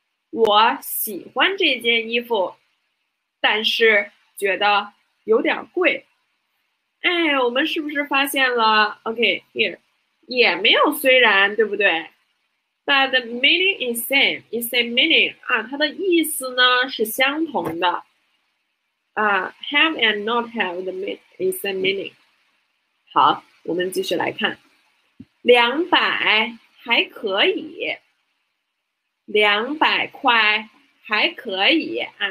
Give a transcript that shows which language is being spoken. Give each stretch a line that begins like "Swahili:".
Chinese: 我喜欢这件衣服，但是觉得有点贵。哎，我们是不是发现了？OK，here，也没有虽然，对不对？
English: But the meaning is same. It's a meaning.
Chinese: 啊，它的意思呢是相同的。
English: have and not have the mean is same meaning.
Chinese: 好，我们继续来看，200还可以，200块还可以啊。